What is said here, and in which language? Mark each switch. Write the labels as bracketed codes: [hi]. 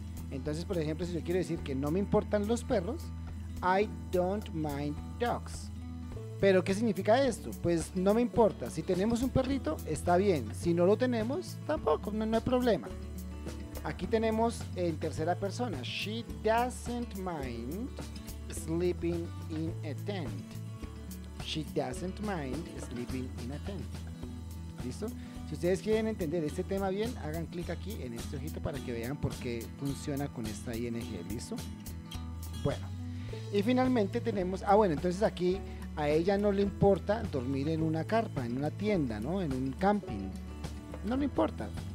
[es] Entonces, por ejemplo, si yo quiero decir que no me importan los perros, [en] I don't mind dogs. [es] ¿Pero qué significa esto? Pues no me importa. Si tenemos un perrito, está bien. Si no lo tenemos, tampoco, no hay problema. Aquí tenemos en tercera persona. [en] She doesn't mind sleeping in a tent. She doesn't mind sleeping in a tent. [es] ¿Listo? Si ustedes quieren entender este tema bien, hagan clic aquí en este ojito para que vean por qué funciona con esta ING. ¿Listo? Bueno. Y finalmente tenemos... Ah, bueno, entonces aquí a ella no le importa dormir en una carpa, en una tienda, ¿no? En un camping. No le importa.